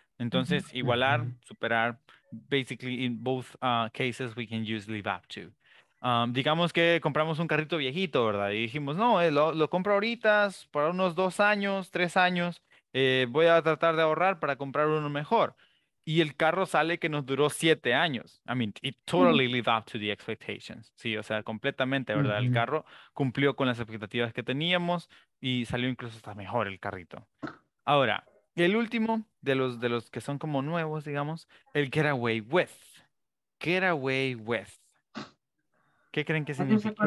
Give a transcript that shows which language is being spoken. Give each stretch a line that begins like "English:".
Spanish: Entonces,
English: mm-hmm, igualar, mm-hmm, superar, basically in both cases we can use live up to.
Spanish: Digamos que compramos un carrito viejito, ¿verdad? Y dijimos, no, lo compro ahorita para unos 2 años, 3 años, voy a tratar de ahorrar para comprar uno mejor. Y el carro sale que nos duró 7 años.
English: I mean, it totally lived up to the expectations.
Spanish: Sí, o sea, completamente, ¿verdad? Mm-hmm. El carro cumplió con las expectativas que teníamos y salió incluso hasta mejor el carrito. Ahora, el último de los que son como nuevos, digamos, el get away with.
English: Get away with.
Spanish: ¿Qué creen que significa?